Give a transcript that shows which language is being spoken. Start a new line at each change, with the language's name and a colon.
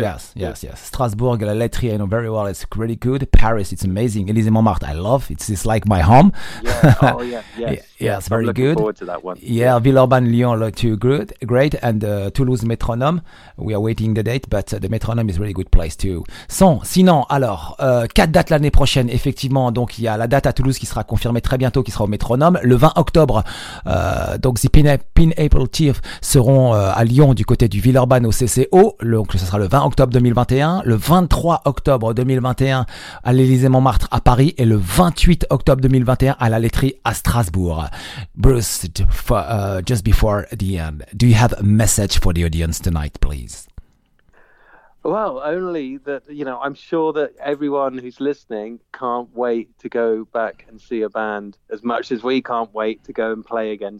English: Yes, yes, yes. Strasbourg, La Lettrie, I know very well. It's really good. Paris, it's amazing. Élysée Montmartre, I love. It's like my home. Yes, very looking good. Looking forward to that one. Yeah, Villeurbanne, Lyon, too good. Great. And Toulouse Métronome, we are waiting the date, but the Métronome is a really good place too.
French: Sinon, alors, 4 dates l'année prochaine, effectivement. Donc, il y a la date à Toulouse qui sera confirmée très bientôt, qui sera au Métronome. Le 20 octobre, donc, The Pineapple Thief seront à Lyon du côté du Villeurbanne au CCO. Donc, ce sera le 20 octobre 2021. Le 23 octobre 2021 à l'Élysée Montmartre à Paris. Et le 28 octobre 2021 à la Laiterie à Strasbourg.
English: Bruce, just before the end, do you have a message for the audience tonight, please? Well, only that, you know, I'm sure that everyone who's listening can't wait to go back and see a band as much as we can't wait to go and play again.